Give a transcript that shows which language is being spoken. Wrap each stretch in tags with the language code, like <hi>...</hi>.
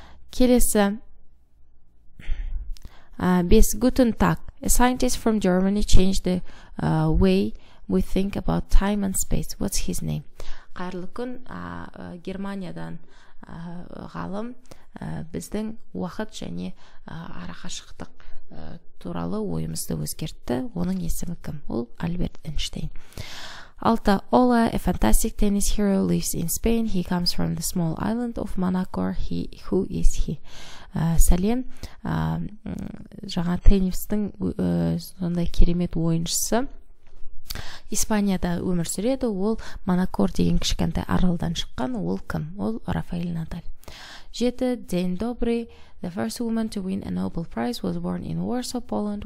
<kk>Келесі, бес,</kk> <de>Guten Tag,</de> <en>a scientist from Germany changed the way we think about time and space. What's his name?</en> <kk>Қайырлы күн, Германиядан ғалым біздің уақыт және арақашықтық туралы ойымызды өзгертті. Оның есімі кім? Ол Альберт Эйнштейн. Алта,</kk> <en>Ола, a fantastic tennis hero lives in Spain. He comes from the small island of Monaco. He, who is he?</en> <kk>Сәлем, жаңа теннистің сондай керемет ойыншысы Испанияда өмір сүреді, ол Монакор деген кішкентай аралдан шыққан, ол кім? Ол Рафаэль Надаль. Жеті,</kk> <en>Дэн Добри, the first woman to win a Nobel Prize was born in Warsaw, Poland.</en>